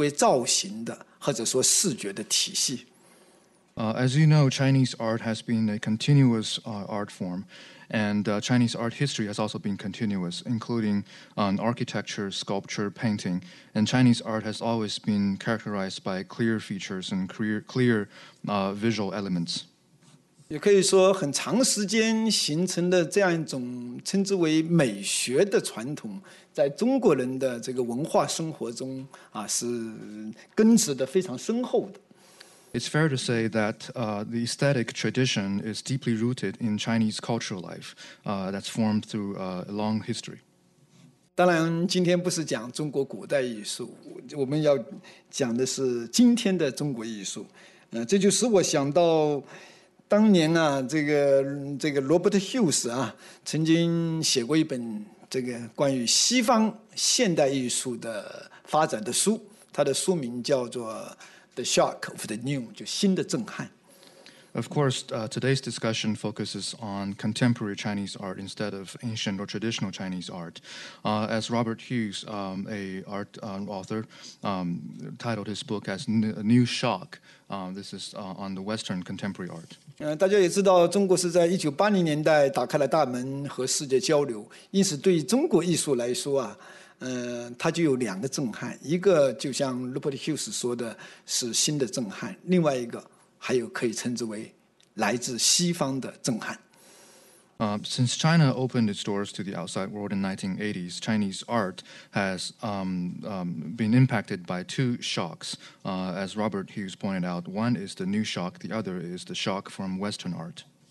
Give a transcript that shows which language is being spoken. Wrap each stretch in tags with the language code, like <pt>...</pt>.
<zh>大家都知道中国拥有不间断的自己的艺术的历史，可以说这个中国艺术在绘画、雕塑到建筑，各个领域都有一种自己非常鲜明的称之为造型的或者说视觉的体系。</zh> <en>As you know, Chinese art has been a continuous art form, and Chinese art history has also been continuous, including architecture, sculpture, painting. And Chinese art has always been characterized by clear features and clear visual elements.</en> <zh>也可以说很长时间形成的这样一种称之为美学的传统，在中国人的这个文化生活中是根植的非常深厚的。</zh> <en>It's fair to say that the aesthetic tradition is deeply rooted in Chinese cultural life that's formed through a long history.</en> <zh>当然今天不是讲中国古代艺术，我们要讲的是今天的中国艺术。这就使我想到当年啊，这个 Robert Hughes 啊，曾经写过一本这个关于西方现代艺术的发展的书，他的书名叫做 The Shock of the New， 就新的震撼。</zh> <en>Of course, today's discussion focuses on contemporary Chinese art instead of ancient or traditional Chinese art. As Robert Hughes, an art author, titled his book as A New Shock, this is on the Western contemporary art.</en> <zh>大家也知道中国是在1980年代打开了大门和世界交流，因此对中国艺术来说啊，它就有两个震撼，一个就像 Robert Hughes 说的是新的震撼，另外一个还有可以称之为来自西方的震撼。</zh> <en>Since China opened its doors to the outside world in the 1980s, Chinese art has been impacted by two shocks. As Robert Hughes pointed out, one is the new shock, the other is the shock from Western art.</en>